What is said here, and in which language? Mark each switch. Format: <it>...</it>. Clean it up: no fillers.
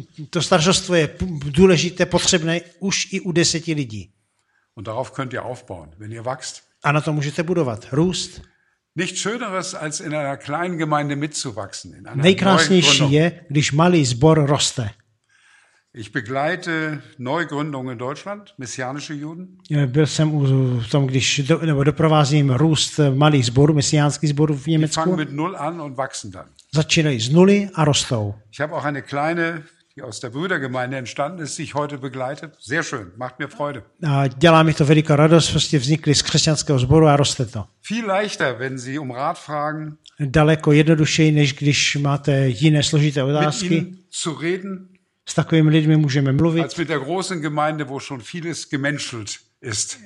<cs>To staršovstvo je důležité, potřebné už i u 10 lidí.</cs> <de>Und darauf könnt ihr aufbauen, wenn ihr wächst.</de> <cs>A na to můžete budovat, růst.</cs> <de>Nichts Schöneres, als in einer kleinen Gemeinde mitzuwachsen.</de> <cs>Nejkrásnější je, když malý sbor roste.</cs> <de>Ich begleite Neugründungen in Deutschland, messianische Juden.</de> <cs>Byl jsem u tom, když doprovázím růst malých sborů, mesiánských sborů v Německu.</cs> <de>Die fangen mit null an und wachsen dann.</de> <cs>Začínají z nuly a rostou.</cs> <de>Ich habe auch eine kleine, die aus der Brüdergemeinde entstanden ist, sich heute begleitet. Sehr schön, macht mir Freude.</de> <cs>A dělá mi to veliká radost, prostě vznikli z křesťanského sboru a roste to.</cs> <de>Viel leichter, wenn Sie um Rat fragen.</de> <cs>Daleko jednodušeji, než když máte jiné složité otázky.</cs> <de>Mit ihnen zu reden.</de> <cs>S takovými lidmi můžeme mluvit.</cs> <de>Als mit der großen Gemeinde, wo schon vieles gemenschelt ist.</de>